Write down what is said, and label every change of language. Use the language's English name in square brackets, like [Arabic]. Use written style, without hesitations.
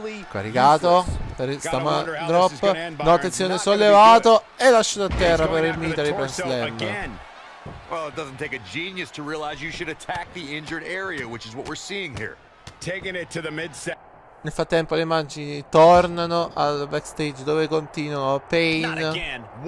[Italian] Caricato per il stomach drop. No, attenzione, sollevato e lasciato a terra per il military press slam. [English] Well, it doesn't take a genius to realize you should attack the injured area, which is what we're seeing here. Taking it to the midsection. [Italian] Nel frattempo le immagini tornano al backstage dove continuano Pain.